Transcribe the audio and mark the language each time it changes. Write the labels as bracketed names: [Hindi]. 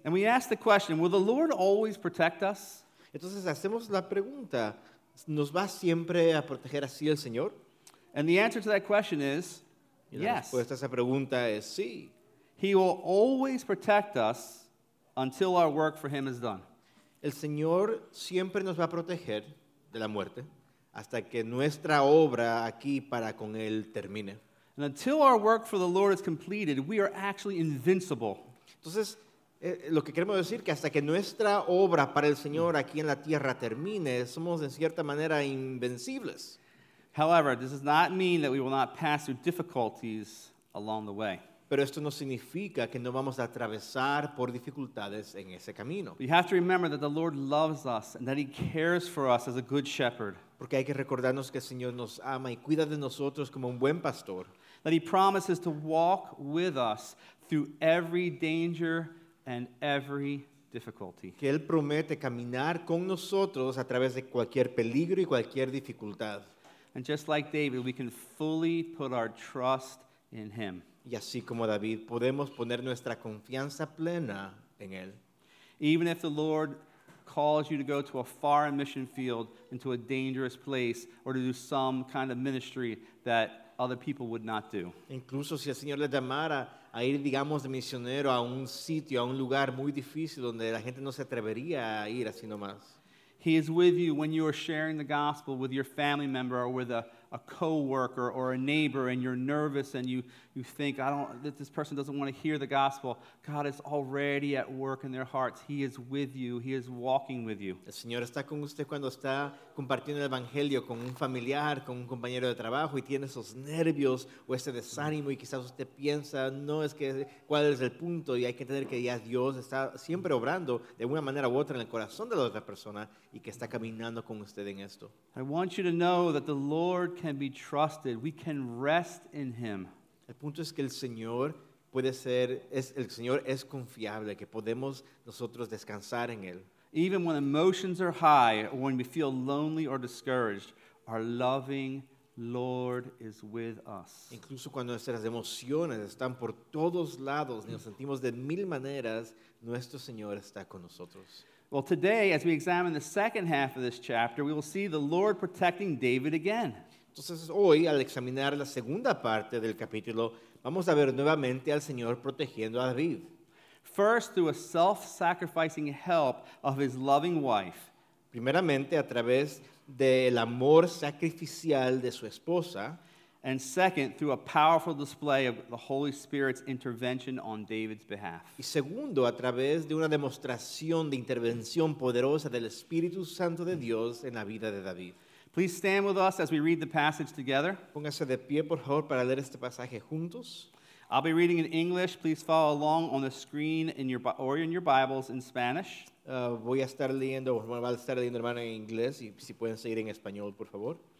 [English] And we ask the question, will the Lord always protect us? [Spanish] Entonces hacemos la pregunta, ¿nos va siempre a proteger así el Señor? [English] And the answer to that question is, yes. [Spanish] Y la respuesta a esa pregunta es sí. [English] He will always protect us until our work for him is done. [Spanish] El Señor siempre nos va a proteger de la muerte hasta que nuestra obra aquí para con él termine. [English] And until our work for the Lord is completed, we are actually invincible. [Spanish] Entonces, lo que queremos decir que hasta que nuestra obra para el Señor aquí en la tierra termine, somos en cierta manera invencibles. [English] However, this does not mean that we will not pass through difficulties along the way. [Spanish] Pero esto no significa que no vamos a atravesar por dificultades en ese camino. [English] We have to remember that the Lord loves us and that he cares for us as a good shepherd. [Spanish] Porque hay que recordarnos que el Señor nos ama y cuida de nosotros como un buen pastor. [English] That he promises to walk with us through every danger and every difficulty. [Spanish] Que él promete caminar con nosotros a través de cualquier peligro y cualquier dificultad. [English] And just like David, we can fully put our trust in him. [Spanish] Y así como David, podemos poner nuestra confianza plena en él. [English] Even if the Lord calls you to go to a foreign mission field, into a dangerous place, or to do some kind of ministry that other people would not do. [Spanish] Incluso si el Señor le llamara a ir, digamos, de misionero a un sitio, a un lugar muy difícil donde la gente no se atrevería a ir así nomás. [English] He is with you when you are sharing the gospel with your family member or with a co-worker or a neighbor and you're nervous and you think, this person doesn't want to hear the gospel. God is already at work in their hearts. He is with you. He is walking with you. [Spanish] El Señor está con usted cuando está compartiendo el evangelio con un familiar, con un compañero de trabajo y tiene esos nervios o ese desánimo y quizás usted piensa, no, es que, ¿cuál es el punto? Y hay que entender que ya Dios está siempre obrando de una manera u otra en el corazón de la otra persona y que está caminando con usted en esto. [English] I want you to know that the Lord can be trusted. We can rest in him. [Spanish] El punto es que el Señor puede ser, el Señor es confiable, que podemos nosotros descansar en él. [English] Even when emotions are high, or when we feel lonely or discouraged, our loving Lord is with us. [Spanish] Incluso cuando nuestras emociones están por todos lados, nos sentimos de mil maneras, nuestro Señor está con nosotros. [English] Well, today, as we examine the second half of this chapter, we will see the Lord protecting David again. [Spanish] Entonces hoy, al examinar la segunda parte del capítulo, vamos a ver nuevamente al Señor protegiendo a David. [English] First, through a self-sacrificing help of his loving wife. [Spanish] Primeramente, a través del amor sacrificial de su esposa. [English] And second, through a powerful display of the Holy Spirit's intervention on David's behalf. [Spanish] Y segundo, a través de una demostración de intervención poderosa del Espíritu Santo de Dios en la vida de David. [English] Please stand with us as we read the passage together. [Spanish] Póngase de pie, por favor, para leer este pasaje juntos. [English] I'll be reading in English. Please follow along on the screen in your or in your Bibles in Spanish. [Spanish] Voy a estar leyendo, bueno, va a estar leyendo, hermano, en inglés, y si pueden seguir en español, por favor.